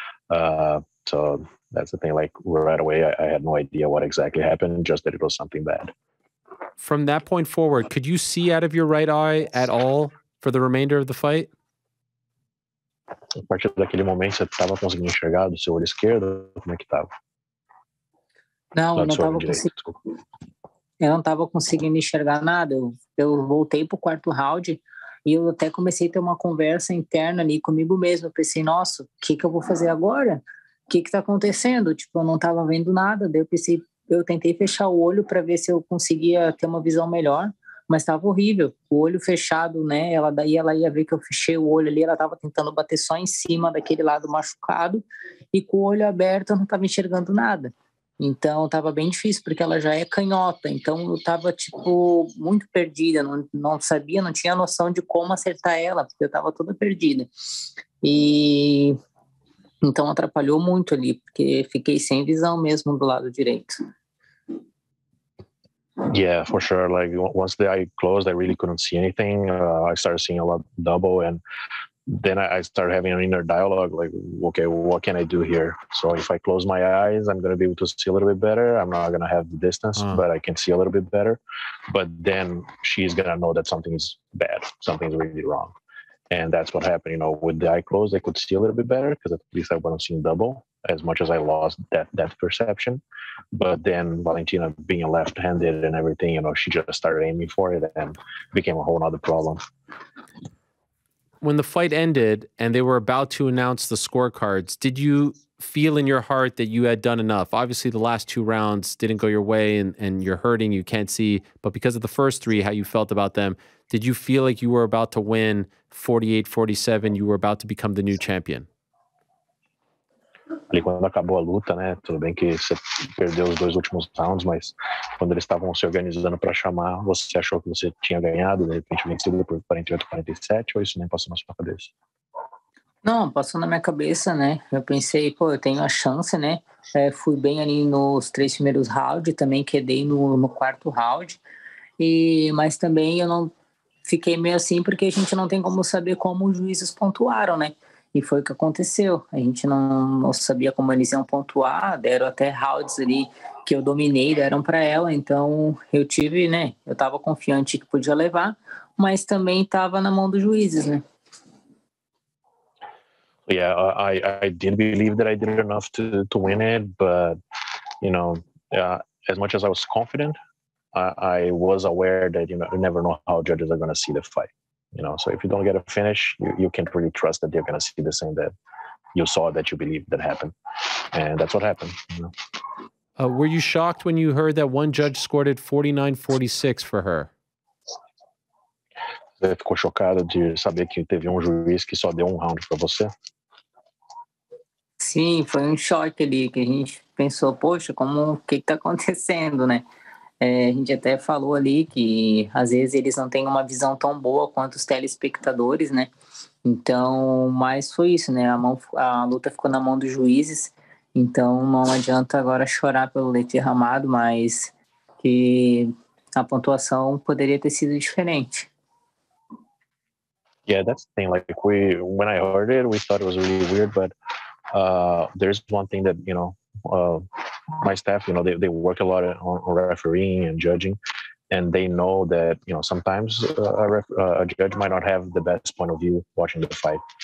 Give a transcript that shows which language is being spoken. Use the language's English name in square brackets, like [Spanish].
[English] So that's the thing. Like, right away, I had no idea what exactly happened, just that it was something bad. From that point forward, could you see out of your right eye at all for the remainder of the fight? [Portuguese] A partir daquele momento, você estava conseguindo enxergar do seu olho esquerdo? Como é que estava? Não, eu não estava conseguindo enxergar nada. Eu voltei para o quarto round e eu até comecei a ter uma conversa interna ali comigo mesmo. Eu pensei, nossa, o que, que eu vou fazer agora? O que está acontecendo? Tipo, eu não estava vendo nada, daí eu pensei, eu tentei fechar o olho para ver se eu conseguia ter uma visão melhor, mas estava horrível. O olho fechado, né? Ela ia ver que eu fechei o olho ali, ela estava tentando bater só em cima daquele lado machucado, e com o olho aberto eu não estava enxergando nada. Então estava bem difícil, porque ela já é canhota, então eu estava tipo muito perdida, não sabia, não tinha noção de como acertar ela, porque eu estava toda perdida. E então atrapalhou muito ali, porque fiquei sem visão mesmo do lado direito. [English] Yeah, for sure. Like, once the eye closed, I really couldn't see anything. I started seeing a lot double, and then I started having an inner dialogue, like, okay, what can I do here? So if I close my eyes, I'm going to be able to see a little bit better. I'm not going to have the distance, but I can see a little bit better. But then she's going to know that something's bad, something's really wrong. And that's what happened, you know, with the eye closed, I could see a little bit better because at least I wasn't seeing double as much as I lost that perception. But then Valentina being left-handed and everything, you know, she just started aiming for it and became a whole other problem. When the fight ended and they were about to announce the scorecards, did you feel in your heart that you had done enough? Obviously, the last two rounds didn't go your way and you're hurting, you can't see. But because of the first three, how you felt about them, did you feel like you were about to win 48-47, you were about to become the new champion? [Portuguese] Ali quando acabou a luta, né? Tudo bem que você perdeu os dois últimos rounds, mas quando eles estavam se organizando para chamar, você achou que você tinha ganhado, de repente vencido por 48-47, ou isso nem passou na sua cabeça? Não, passou na minha cabeça, né? Eu pensei, pô, eu tenho a chance, né? Fui bem ali nos três primeiros rounds, também quedei no quarto round, mas também eu não fiquei meio assim porque a gente não tem como saber como os juízes pontuaram, né? E foi o que aconteceu. A gente não sabia como eles iam pontuar, deram até rounds ali que eu dominei, deram para ela. Então, eu tive, né? Eu tava confiante que podia levar, mas também tava na mão dos juízes, né? [English] yeah, I did believe that I did enough to win it, but you know, as much as I was confident, I was aware that, you know, you never know how judges are going to see the fight. You know, so if you don't get a finish, you can't really trust that they're going to see the same that you saw, that you believe that happened. And that's what happened. You know? Were you shocked when you heard that one judge scored it 49-46 for her? [Portuguese] Você ficou chocado de saber que teve um juiz que só deu um round para você? Sim, foi choque ali, que a gente pensou, poxa, como, o que está acontecendo, né? É, a gente até falou ali que às vezes eles não têm uma visão tão boa quanto os telespectadores, né? Então, mas foi isso, né? A luta ficou na mão dos juízes, então não adianta agora chorar pelo leite derramado, mas que a pontuação poderia ter sido diferente. [English] Yeah, that's the thing. Like, when I heard it, we thought it was really weird, but there's one thing that, you know, my staff, you know, they work a lot on refereeing and judging, and they know that, you know, sometimes a judge might not have the best point of view watching the fight.